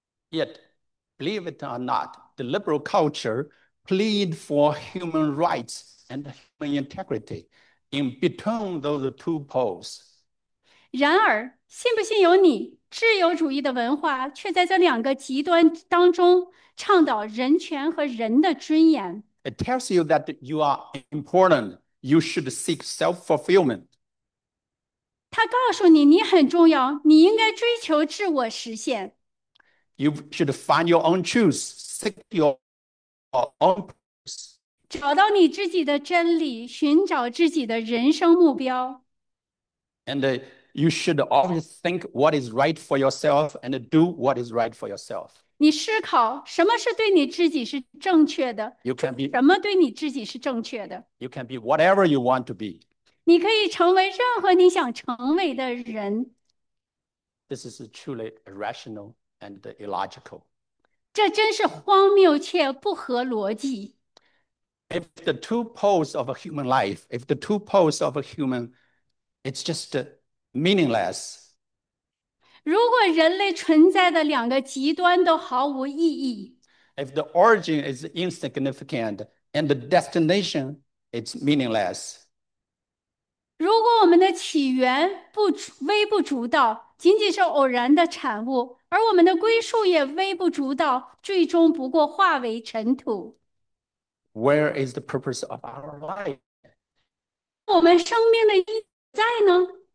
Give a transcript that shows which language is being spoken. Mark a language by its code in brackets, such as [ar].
[en] Yet, believe it or not, the liberal culture plead for human rights and human integrity in between those two poles. [zh] 然而，信不信由你，自由主义的文化却在这两个极端当中倡导人权和人的尊严。 [en] It tells you that you are important. You should seek self-fulfillment. [zh] 他告诉你，你很重要，你应该追求自我实现。 [en] You should find your own truth, seek your own. [zh] 找到你自己的真理，寻找自己的人生目标。 [en] And you should always think what is right for yourself and do what is right for yourself. [zh] 你思考什么是对你自己是正确的，做什么对你自己是正确的。 [en] You can be whatever you want to be. [zh] 你可以成为任何你想成为的人， [en] This is truly irrational and illogical. [zh] 这真是荒谬且不合逻辑。 [en] If the two poles of a human life, if the two poles of a human, it's just meaningless. [zh] 如果人类存在的两个极端都毫无意义。 [en] If the origin is insignificant and the destination it's meaningless. [zh] 如果我们的起源不微不足道，仅仅是偶然的产物，而我们的归宿也微不足道，最终不过化为尘土。 [en] Where is the purpose of our life? [zh] 我们生命的意义在呢？